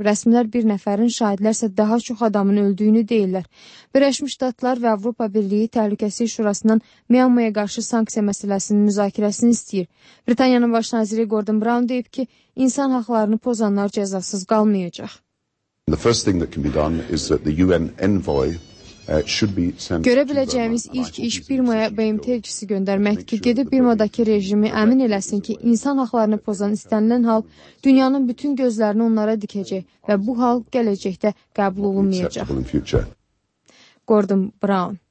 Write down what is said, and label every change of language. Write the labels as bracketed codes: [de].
[az] Rəsmilər bir nəfərin, şahidlərsə daha çox adamın öldüyünü deyirlər. Birləşmiş Ştatlar və Avropa Birliyi Təhlükəsizlik Şurasından Myanmaya qarşı sanksiya məsələsinin müzakirəsini istəyir. Britaniyanın baş naziri Gordon Brown deyib ki, insan haqlarını pozanlar cəzasız qalmayacaq. [en] The first thing that can be done is that the UN envoy [az] Görə biləcəyimiz ilk iş Birmaya BMT elçisi göndərməkdir ki, gedib Birmadakı rejimi əmin eləsin ki, insan haqlarını pozan istənilən hal dünyanın bütün gözlərini onlara dikəcək və bu hal gələcəkdə qəbul olunmayacaq. Gordon Brown.